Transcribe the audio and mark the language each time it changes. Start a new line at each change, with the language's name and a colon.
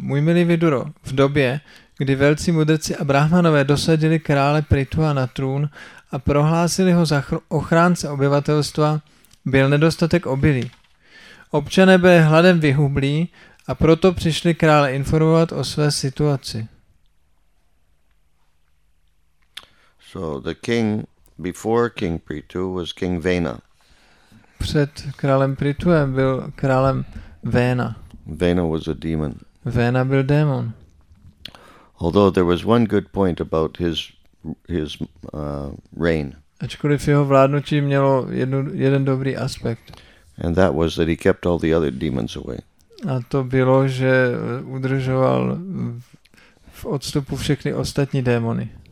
Czech: Můj milý Viduro, v době, kdy velcí mudrci a brahmanové dosadili krále Prithua na trůn a prohlásili ho za ochránce obyvatelstva, byl nedostatek obilí. Občané byli hladem vyhublí a proto přišli krále informovat o své situaci.
English: So the king before King Prithu was King Vena.
Czech: Před králem Prithuem byl králem Vena.
English: Vena was a demon.
Czech: Vena byl démon.
English: Although there was one good point about his his reign.
Czech: Ačkoliv jeho vládnutí mělo jeden dobrý aspekt.
English: And that was that he kept all the other demons away.
Czech: A to bylo, že udržoval v odstupu všechny ostatní démony.